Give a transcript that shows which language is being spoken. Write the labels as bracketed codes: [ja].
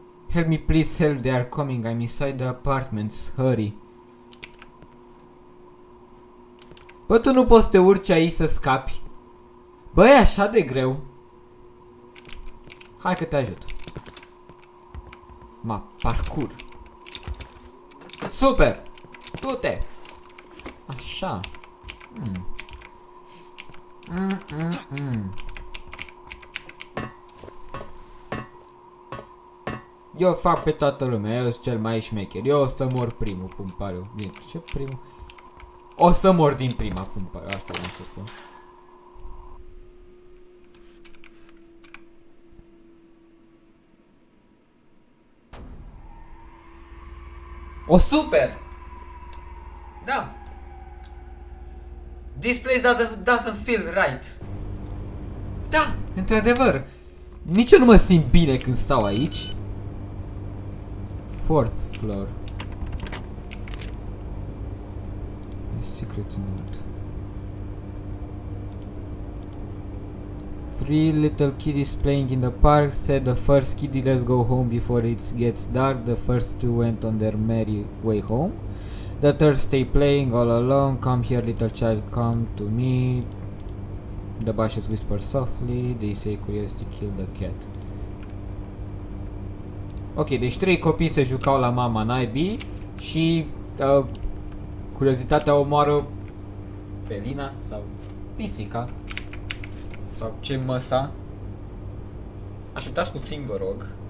[en] Help me please help, they are coming, I'm inside the apartments, hurry. [ro] Bă, tu nu poți să te urci aici să scapi? Bă, e așa de greu. Hai că te ajut. Ma, parkour. Super! Du-te! Așa. Eu fac pe toată lumea, eu sunt cel mai șmecher. Eu o să mor primul, cum pare. Bine, ce primul? O să mor din prima, cum pare. Asta vreau să spun. O super! Da! [en] This place doesn't feel right. [ro] Da, într-adevăr. Nici eu nu mă simt bine când stau aici. [en] Fourth floor. A secret note. Three little kiddies playing in the park said the first kiddie let's go home before it gets dark. The first two went on their merry way home. The third stay playing all alone. Come here little child, come to me. The bushes whisper softly. They say curiosity killed the cat. [ro] Ok, deci trei copii se jucau la mama naibii și curiozitatea omoară felina sau pisica sau ce măsa. Așteptați puțin, vă rog.